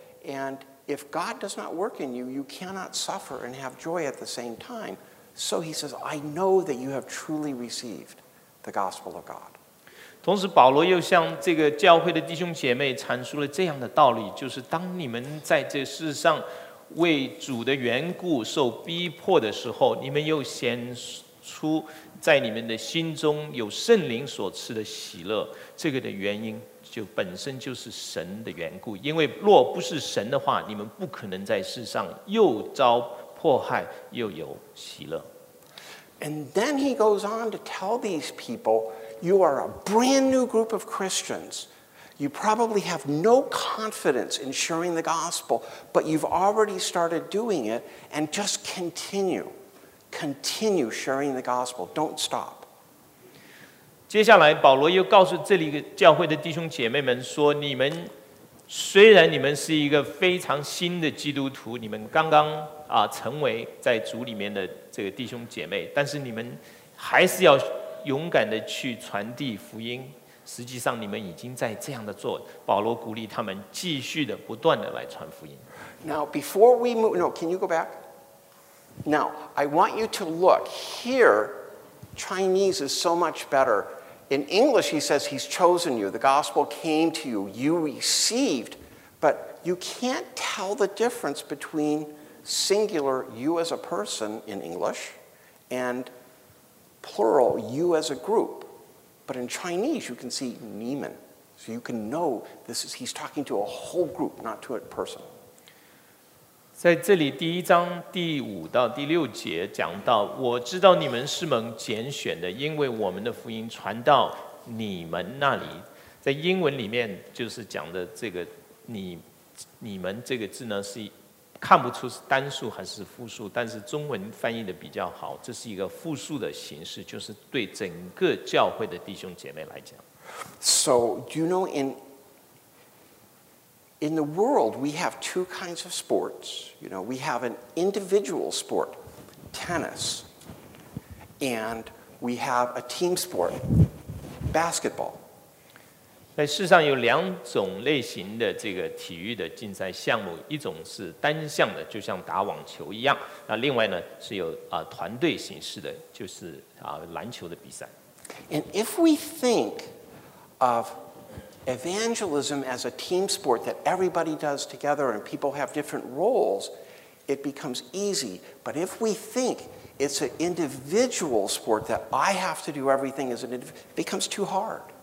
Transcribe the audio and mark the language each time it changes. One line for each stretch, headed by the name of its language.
English: And if God does not work in you, you cannot suffer and have joy at the same time. So he says, I know that you have truly received the gospel of God.
Chinese: 同时保罗又向这个教会的弟兄姐妹阐述了这样的道理，就是当你们在这世上为主的缘故受逼迫的时候，你们又显出在你们的心中有圣灵所赐的喜乐，这个的原因就本身就是神的缘故，因为若不是神的话，你们不可能在世上又遭迫害又有喜乐。
English: And then he goes on to tell these people, you are a brand new group of Christians. You probably have no confidence in sharing the gospel, but you've already started doing it, and just continue sharing the gospel. Don't stop.
Chinese: 接下来保罗又告诉这里教会的弟兄姐妹们说，你们虽然你们是一个非常新的基督徒，你们刚刚成为在主里面的这个弟兄姐妹，但是你们还是要勇敢地去传递福音，实际上你们已经在这样的做。保罗鼓励他们继续地不断地来传福音。
English: Now, before we move, no, can you go back? Now, I want you to look. Here, Chinese is so much better. In English, he says, he's chosen you. The gospel came to you. You received. But you can't tell the difference between singular, you as a person in English, and plural, you as a group. But in Chinese, you can see 你们.So you can know this is, he's talking to a whole group, not to a person.
Chinese: 在这里第一章第五到第六节讲到，我知道你们是蒙拣选的，因为我们的福音传到你们那里。在英文里面就是讲的这个 你们这个字呢，是看不出是单数还是复数，但是中文翻译的比较好，这是一个复数的形式，就是对整个教会的弟兄姐妹来讲。
English: So, do you know, in the world, we have two kinds of sports. You know, we have an individual sport, tennis, and we have a team sport, basketball.
Chinese: 在世上有两种类型的这个体育的竞赛项目，一种是单项的，就像打网球一样，那另外呢是有团队形式的，就是篮球的比赛。
English: And if we think of evangelism as a team sport that everybody does together and people have different roles, it becomes easy. But if we think it's an individual sport that I have to do everything as an individual, it becomes too hard.